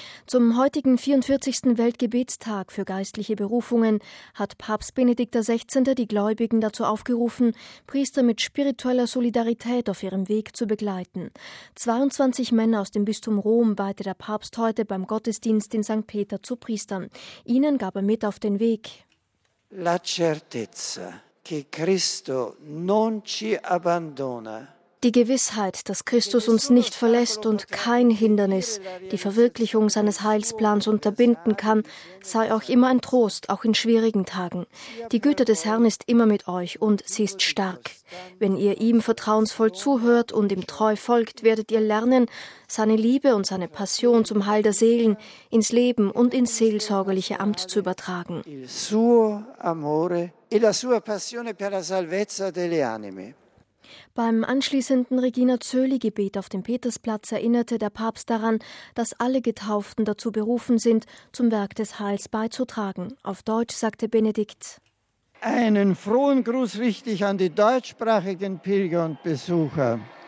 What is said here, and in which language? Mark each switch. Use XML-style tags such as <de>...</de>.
<de>Zum heutigen 44. Weltgebetstag für geistliche Berufungen hat Papst Benedikt XVI. Die Gläubigen dazu aufgerufen, Priester mit spiritueller Solidarität auf ihrem Weg zu begleiten. 22 Männer aus dem Bistum Rom weihte der Papst heute beim Gottesdienst in St. Peter zu Priestern. Ihnen gab er mit auf den Weg.</de> <it>La certezza che Cristo non ci abbandona.</it> <de>Die Gewissheit, dass Christus uns nicht verlässt und kein Hindernis die Verwirklichung seines Heilsplans unterbinden kann, sei auch immer ein Trost, auch in schwierigen Tagen. Die Güte des Herrn ist immer mit euch und sie ist stark. Wenn ihr ihm vertrauensvoll zuhört und ihm treu folgt, werdet ihr lernen, seine Liebe und seine Passion zum Heil der Seelen ins Leben und ins seelsorgerliche Amt zu übertragen.</de> <it>Suo amore e la sua passione per la salvezza delle anime.</it> <de>Beim anschließenden Regina Zöli-Gebet auf dem Petersplatz erinnerte der Papst daran, dass alle Getauften dazu berufen sind, zum Werk des Heils beizutragen. Auf Deutsch sagte Benedikt: Einen frohen Gruß richte ich an die deutschsprachigen Pilger und Besucher.</de>